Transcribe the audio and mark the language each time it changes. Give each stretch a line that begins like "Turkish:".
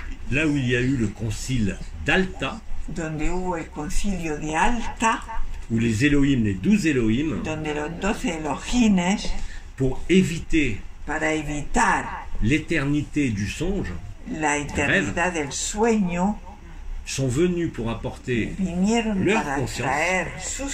French: Là où il y a eu le concile d'Alta,
Spanish: donde hubo el concilio de Alta,
French: où les Elohim, les 12 Elohim,
Spanish: donde los 12 Elohines,
French: pour éviter
Spanish: para evitar
French: l'éternité du songe,
Spanish: la eternidad rêve, del sueño,
French: sont venus pour apporter leur conscience,